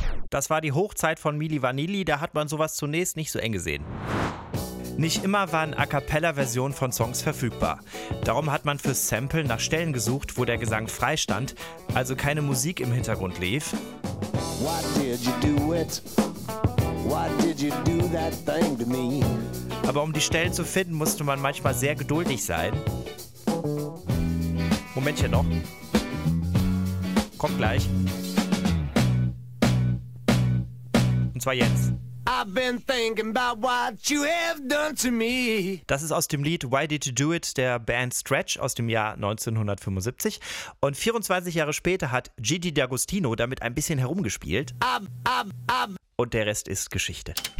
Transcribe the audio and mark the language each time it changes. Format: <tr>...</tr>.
<de>Das war die Hochzeit von Milli Vanilli, da hat man sowas zunächst nicht so eng gesehen. Nicht immer waren A-Cappella-Versionen von Songs verfügbar. Darum hat man fürs Sample nach Stellen gesucht, wo der Gesang frei stand, also keine Musik im Hintergrund lief.</de> <en>Why did you do it? Why did you do that thing to me?</en> <de>Aber um die Stellen zu finden, musste man manchmal sehr geduldig sein. Momentchen noch. Kommt gleich. Und zwar jetzt.</de> <en>I've been thinking about what you have done to me.</en> <de>Das ist aus dem Lied Why Did You Do It der Band Stretch aus dem Jahr 1975. Und 24 Jahre später hat Gigi D'Agostino damit ein bisschen herumgespielt. Und der Rest ist Geschichte.</de>